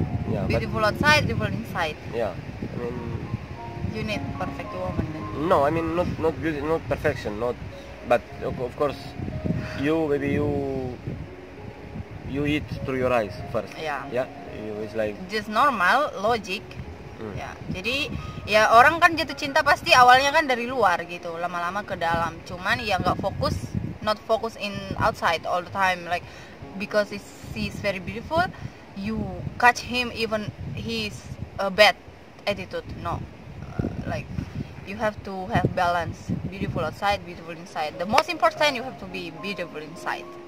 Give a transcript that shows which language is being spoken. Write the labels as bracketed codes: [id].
[en] Yeah, beautiful outside, beautiful inside. Yeah, I mean. You need perfect woman then. No, I mean not beauty, not perfection, not. But of course, you eat through your eyes first. Yeah. Yeah. You, it's like. Just normal, logic. [id] Ya, jadi ya orang kan jatuh cinta pasti awalnya kan dari luar gitu, lama-lama ke dalam. Cuman ya nggak fokus [en] not focus in outside all the time, like because he's very beautiful, you catch him even he's a bad attitude. No, like you have to have balance, beautiful outside, beautiful inside. The most important, you have to be beautiful inside.